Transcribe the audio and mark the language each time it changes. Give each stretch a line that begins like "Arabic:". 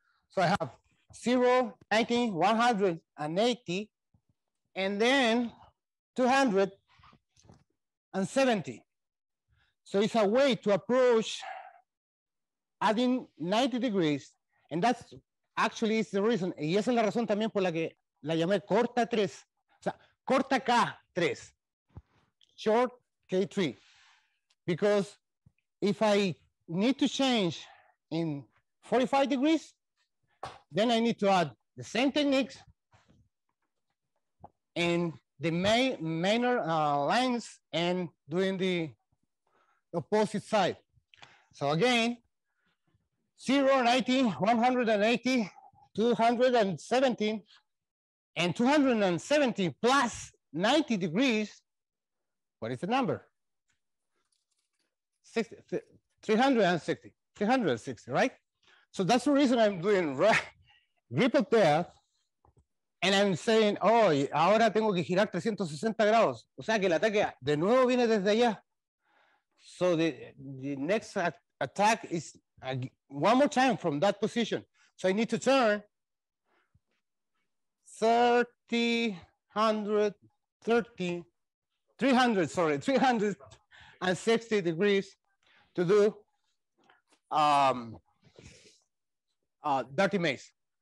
English: So I have 0, 90, 180, and then 270. So it's a way to approach adding 90 degrees, and that's actually is the reason.
Spanish: Y esa es la razón también por la que la llamé corta 3. O sea, corta K3.
English: Short K3. Because if I need to change in 45 degrees, then I need to add the same techniques and the minor lines and doing the opposite side. So again, 0, 90, 180, 217, and 270 plus 90 degrees, what is the number? 360, right? So that's the reason I'm doing grip of death, and I'm saying, oh,
Spanish: ahora tengo que girar 360 grados. O sea, que el ataque de nuevo viene desde allá.
English: So the next attack is one more time from that position. So I need to turn 360 degrees to do dirty maze.